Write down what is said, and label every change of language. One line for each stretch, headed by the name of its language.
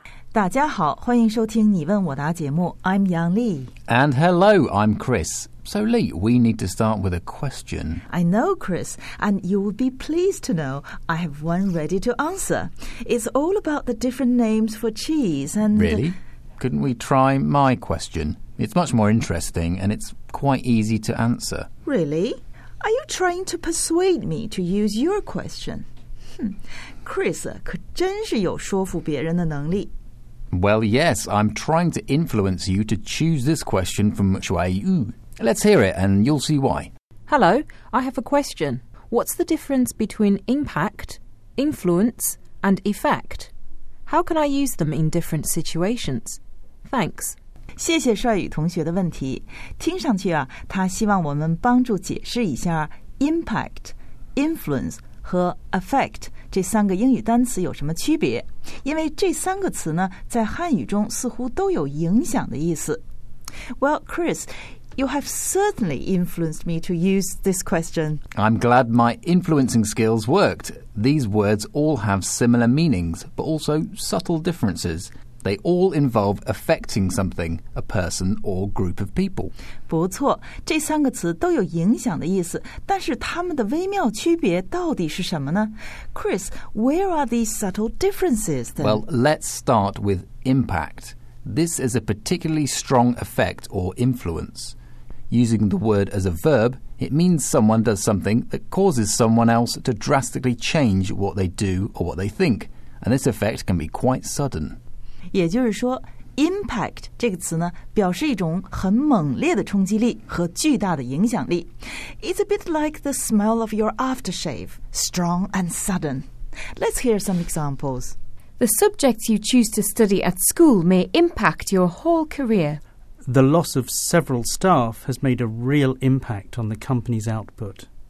Chinese: 大家好，欢迎收听你问我答节目。
English: I'm Yang Li. And hello, I'm Chris. So Li, we need to start with a question. I know, Chris, and you will be pleased to know I have one ready to answer. It's all about the different names for cheese and... Really? Couldn't we try my question? It's much more interesting and it's quite easy to answer. Really? Are you trying to persuade me to use your question?
Chinese: Chris 可真是有说服别人的能力。
English: Well, yes, I'm trying to influence you to choose this question from Shuai Yu. Let's hear it and you'll see why. Hello, I have a question. What's the difference between impact, influence and effect? How can I use them in different situations? Thanks.
Chinese: 谢谢帅宇同学的问题。听上去啊，他希望我们帮助解释一下 impact, influence和 effect 这三个英语单词有什么区别？因为这三个词呢，在汉语中似乎都有影响的意思。
English: Well, Chris, you have certainly influenced me to use this question. I'm glad my influencing skills worked. These words all have similar meanings, but also subtle differences. They all involve affecting something, a person or group of people.
Chinese: 不错，这三个词都有影响的意思，但是它们的微妙区别到底是什么呢？
English: Chris, where are these subtle differences then? Well, let's start with impact. This is a particularly strong effect or influence. Using the word as a verb, it means someone does something that causes someone else to drastically change what they do or what they think. And this effect can be quite sudden.
Chinese: 也就是说 impact 这个词呢表示一种很猛烈的冲击力和巨大的影响力。
English: It's a bit like the smell of your aftershave, strong and sudden. Let's hear some examples. The subjects you choose to study at school may impact your whole career. The loss of several staff has made a real impact on the company's output.